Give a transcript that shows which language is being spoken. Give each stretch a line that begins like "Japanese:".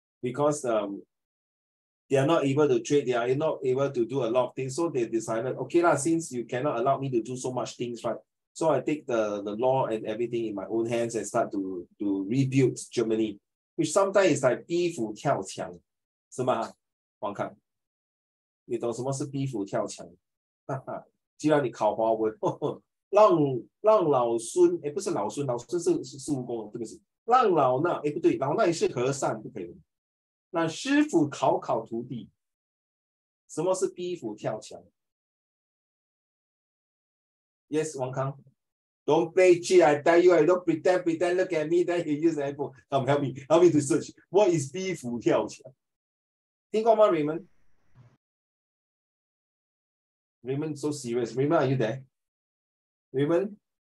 English: Because they are not able to trade, they are not able to do a lot of things. So they decided, okay, since you cannot allow me to do so much things, right? So I take the law and everything in my own hands and start to rebuild Germany. Which sometimes is like
Chinese: 逼虎跳墙, 是吗? 王康, 你懂什么是逼虎跳墙?既然你考华文, 让老孙, 不是老孙, 老孙是孙悟空, 对不起, 让老衲, 不对, 老衲也是和善, 不可以, 让师父考考徒弟, 什么是逼虎跳墙?
English: Yes, 王康? Don't play cheat, I tell you, I don't pretend, look at me, then he use the iPhone. Come, help me to search. What is
Chinese: 逼虎跳墙?听过吗,
English: Raymond? Raymond, so serious. Raymond, are you there? Raymond?